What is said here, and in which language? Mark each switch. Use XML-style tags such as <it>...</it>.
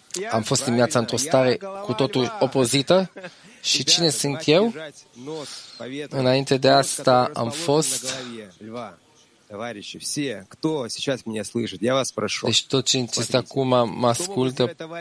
<ro>Am fost dimineața într-o stare cu totul opozită și cine sunt eu? Înainte de asta am fost</ro> <ru>товарищи, все, кто сейчас меня слышит, я вас прошу.</ru> <ro>Deci tot ce înțeles acum mă ascultă.</ro>